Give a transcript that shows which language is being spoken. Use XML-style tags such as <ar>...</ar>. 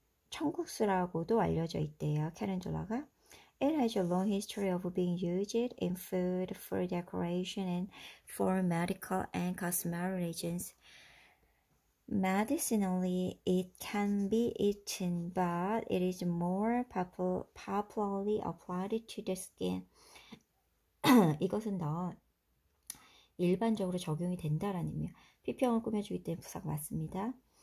<ko>청국수라고도 알려져 있대요. 캐렌듈라가.</ko> <en>It has a long history of being used in food, for decoration, and for medical and cosmetic reasons. Medicinally, it can be eaten, but it is more popularly applied to the skin.</en> <ko>이것은 더 일반적으로 적용이 된다라는 의미. 피평을 꾸며주기 때문에 부사가 맞습니다.</ko>